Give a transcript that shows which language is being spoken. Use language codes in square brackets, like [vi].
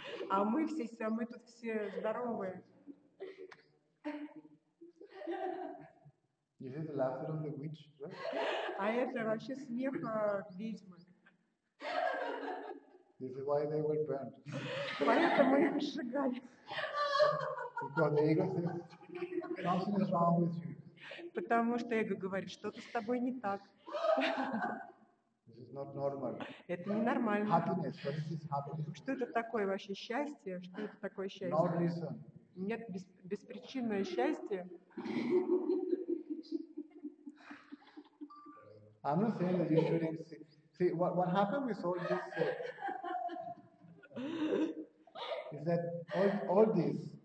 [ru] А мы все, мы тут все здоровые. [en] Is it the laughter of the witch, right? [ru] А это вообще смех ведьмы. [en] This is why they were burned. [ru] Поэтому их сжигали. [en] Because the ego says something is wrong with you. [ru] Потому что эго говорит, что-то с тобой не так. [en] Not normal. [ru] Это ненормально. [en] Happiness. What is this happiness? [ru] Что это такое вообще счастье? Что это такое счастье? [en] No. [ru] Нет, беспричинное счастье. [en] I'm not saying that you shouldn't see what happened with all this is that all this